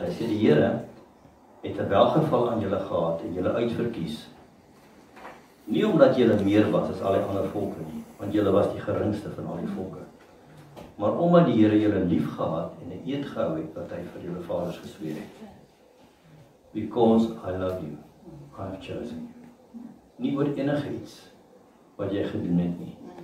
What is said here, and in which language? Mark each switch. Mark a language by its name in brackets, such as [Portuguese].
[Afrikaans] Hy sê die Here het 'n welgeval aan julle gehad en julle uitverkies. Nie omdat julle meer was as al die ander volke nie, want julle was die geringste van al die volke. Maar omdat die Here julle lief gehad en 'n eed gehou het wat hy vir julle vaders gesweer het. [English] Because I love you, I have chosen you. [Afrikaans] Nie oor enige iets wat jy gedoen het nie.